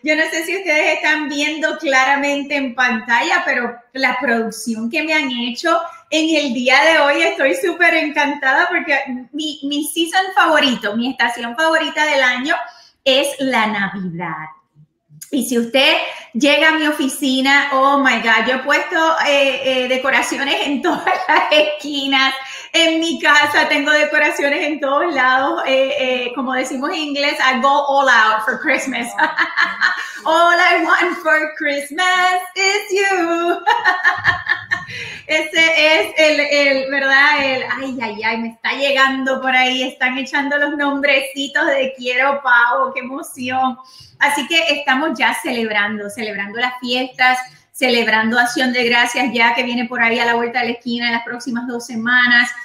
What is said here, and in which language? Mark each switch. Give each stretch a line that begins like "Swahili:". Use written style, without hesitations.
Spanish: Yo no sé si ustedes están viendo claramente en pantalla, pero la producción que me han hecho en el día de hoy, estoy súper encantada porque mi season favorito, mi estación favorita del año es la Navidad. Y si usted llega a mi oficina,
English: oh my God,
Spanish: yo he puesto decoraciones en todas las esquinas. En mi casa tengo decoraciones en todos lados. Como decimos en inglés,
English: I go all out for Christmas. All I want for Christmas is you.
Spanish: Ese es el, ¿verdad? El, ay, ay, ay, me está llegando por ahí. Están echando los nombrecitos de quiero, Pau, qué emoción. Así que estamos ya celebrando las fiestas, celebrando Acción de Gracias ya que viene por ahí a la vuelta de la esquina en las próximas 2 semanas.